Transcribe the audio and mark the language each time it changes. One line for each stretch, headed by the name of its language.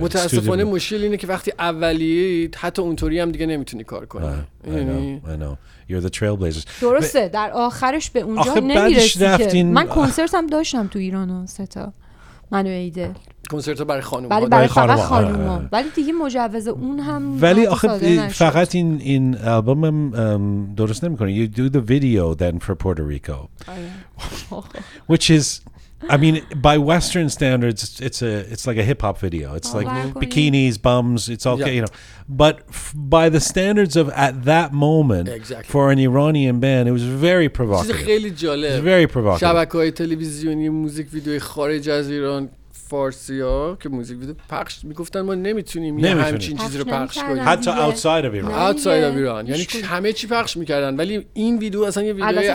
Persian: متاسفانه مشکل اینه که وقتی اولیه حتی اونطوری هم دیگه نمیتونی کار کنی
English: I know you're the trailblazers
Persian: درسته در آخرش به اونجا نمیرسی من کنسرت هم داشتم تو ایران ستا من و ایدل کنسرت برای خانوم ولی برای خانوم ولی دیگه مجوز اون هم ولی آخه فقط این آلبوم هم درست نمی کنه
English: you do the video then for Puerto Rico which is I mean by western standards it's like a hip hop video it's like bikinis bums it's all yeah. you know but by the standards of at that moment exactly. for an Iranian band it was very provocative
Persian: چیز خیلی جالب
English: very provocative
Persian: شبکه‌های تلویزیونی موزیک ویدیو خارج از ایران فارسی‌ها که موزیک ویدیو پخش می‌گفتن ما نمی‌تونیم همچین چیزی رو پخش کنیم
English: حتی outside of Iran outside of Iran
Persian: یعنی همه چی پخش می‌کردن ولی این ویدیو اصلا یه ویدیو عجیبه